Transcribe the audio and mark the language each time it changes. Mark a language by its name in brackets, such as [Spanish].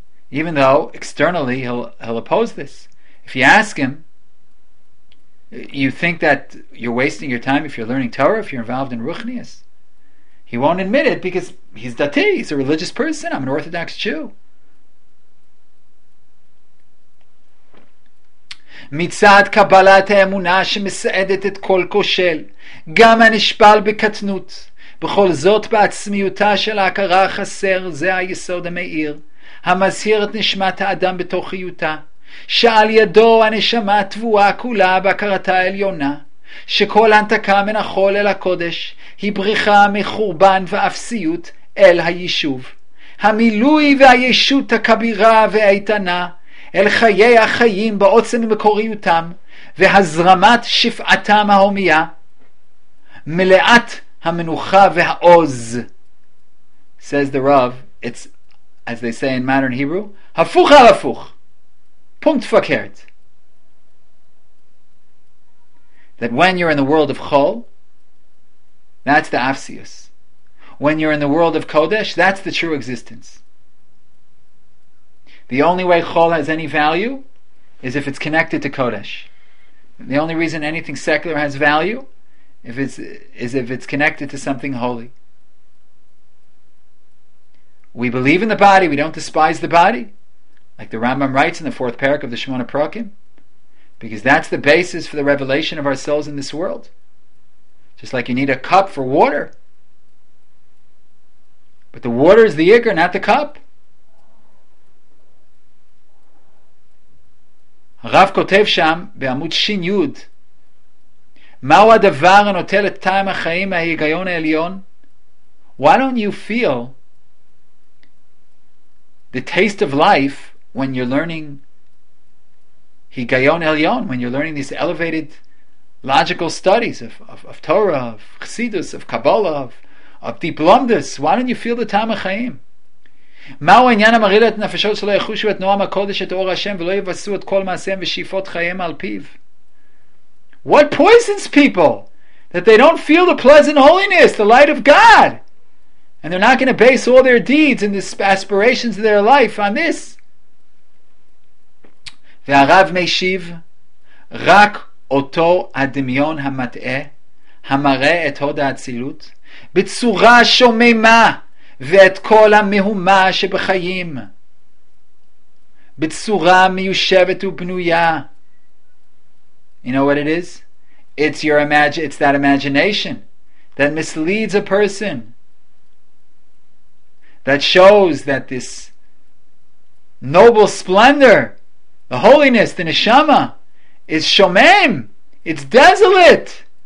[English] Even though externally he'll oppose this. If you ask him, "You think that you're wasting your time if you're learning Torah, if you're involved in Ruchnias?" He won't admit it because he's dati, he's a religious person, "I'm an Orthodox Jew." [Hebrew] מצד קבלת האמונה שמסעדת את כל כושל, גם הנשפל בקטנות, בכל זאת בעצמיותה של ההכרה החסר, זה היסוד המאיר, המזהיר את נשמת האדם בתוכיותה, שעל ידו הנשמה תבועה כולה בהכרתה העליונה, שכל הנתקה מן החול אל הקודש, היא בריחה מחורבן ואפסיות אל היישוב, המילוי והישות הכבירה והאיתנה, אל חיי החיים בעוצם מקוריותם והזרמת שפעתם ההומיה מלאת המנוחה והעוז. [English] Says the Rav, it's as they say in modern Hebrew, [Hebrew] הפוך על הפוך, [English] פונקט פקרת. That when you're in the world of Chol, that's the Afsius. When you're in the world of Kodesh, that's the true existence. The only way Chol has any value is if it's connected to Kodesh. The only reason anything secular has value is if it's connected to something holy. We believe in the body, we don't despise the body, like the Rambam writes in the fourth parak of the Shemona Prakim, because that's the basis for the revelation of our souls in this world. Just like you need a cup for water. But the water is the ikar, not the cup. [Hebrew] הרב כותב שם בעמוד שין יוד, מהו הדבר הנוטל את טעם החיים מההיגיון העליון? [English] Why don't you feel the taste of life when you're learning היגיון עליון, when you're learning these elevated logical studies of Torah, of Chassidus, of Kabbalah, of deep lomdus? Why don't you feel the time of chaim? [Hebrew] מהו העניין המראה את נפשות שלא יחושו את נועם הקודש את אור השם ולא יבשו את כל מעשיהם ושאיפות חייהם על פיו? [English] What poisons people that they don't feel the pleasant holiness, the light of God, and they're not going to base all their deeds and the aspirations of their life on this? [Hebrew] והרב משיב, רק אותו הדמיון המתאה המראה את הוד האצילות בצורה שוממה ואת כל המהומה שבחיים בצורה מיושבת ובנויה. [English] You know what it is? It's your imagination. It's that imagination that misleads a person, that shows that this noble splendor, the holiness, the neshama, is shomem, it's desolate.